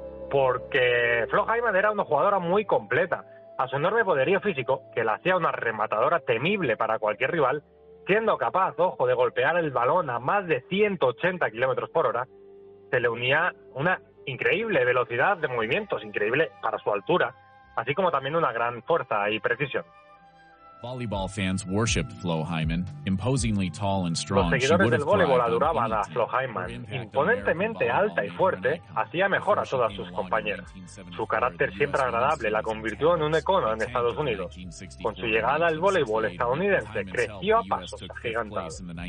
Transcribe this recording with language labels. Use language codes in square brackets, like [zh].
[es] Porque Flo Jaimán era una jugadora muy completa. A su enorme poderío físico, que la hacía una rematadora temible para cualquier rival, siendo capaz, ojo, de golpear el balón a más de 180 kilómetros por hora, se le unía una increíble velocidad de movimientos, increíble para su altura, así como también una gran fuerza y precisión. [en] Volleyball fans worshipped Flo Hyman, imposingly tall and strong. [es] Los seguidores del voleibol adoraban a Flo Hyman. Imponentemente alta y fuerte, hacía mejor a todas sus compañeras. Su carácter siempre agradable la convirtió en un icono en Estados Unidos. Con su llegada al voleibol estadounidense, creció a pasos agigantados.